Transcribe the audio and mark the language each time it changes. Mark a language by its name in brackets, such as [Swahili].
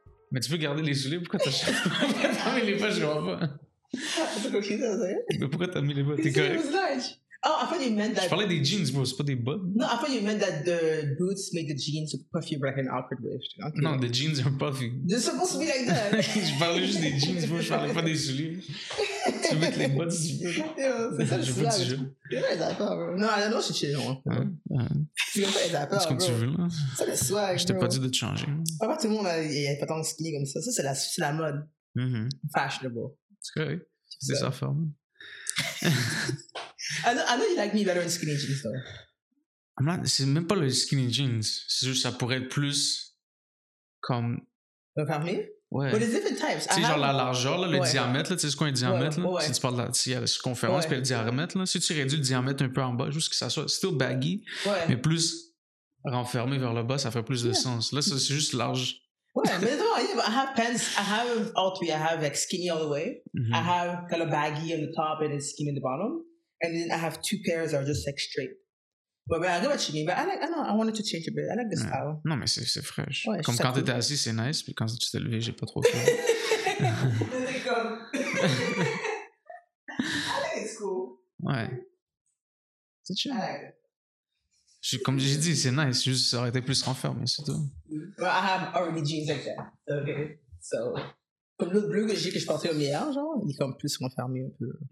[French] Mais tu peux garder les souliers, pourquoi t'as mis les bottes, je vois pas. Mais pourquoi t'as mis les bottes, t'es correct. [English] Oh, I thought you meant that... [French] Je parlais des jeans, bro, c'est pas des bottes. [English] No, I thought you meant that the boots make the jeans so puffy, but like an awkward lift. Okay. Non, the jeans are puffy. They're supposed to be like that. [French] Je parlais juste des jeans, bro, je parlais pas des souliers. Tu veux mettre les bottes si tu veux. Je veux que tu joues. Tu veux pas être d'accord, bro. Non, non, je suis chez moi. Tu veux pas être d'accord, bro. C'est comme tu veux, là. C'est le swag, bro. Je t'ai pas dit de changer. Pas tout le monde a pas tant de skinny comme ça. Ça, c'est la mode. Mm-hmm. [English] Fashionable. [French] C'est vrai. C'est sa forme. [English] I know you like me better in skinny jeans, though. I'm not, [French] c'est même pas le skinny jeans. C'est juste ça pourrait être plus comme... Le parmi? Ouais. [English] But it's different types. [French] Tu sais, genre la largeur, là, le ouais. diamètre, tu sais ce qu'on est diamètre, ouais. là? Ouais. Si tu parles de la circonférence, ouais. puis le diamètre, là, si tu réduis le diamètre un peu en bas, juste que ça soit [English] still baggy, [French] ouais. mais plus renfermé vers le bas, ça ferait plus de sens. Là, ça, c'est juste large. Ouais, mais non, [English] yeah, I have pants, I have all three. I have like skinny all the way. Mm-hmm. I have kind of baggy on the top and skinny on the bottom. And then I have two pairs that are just like straight. But I get what you mean, but I like, I know, I wanted to change a bit. I like the style. [French] Ouais. Non, mais c'est fraîche. Ouais, comme quand t'étais assis, c'est nice, puis quand tu t'es levé, j'ai pas trop fait. [English] I think it's cool. [French] Ouais. C'est chill. [English] I like it. [French] Comme j'ai dit, c'est nice, juste ça aurait été plus renfermé, c'est tout. [English] Well, I have already jeans like that, okay? So, [French] comme l'autre bleu que j'ai que je portais au meilleur, genre, il est comme plus renfermé un peu.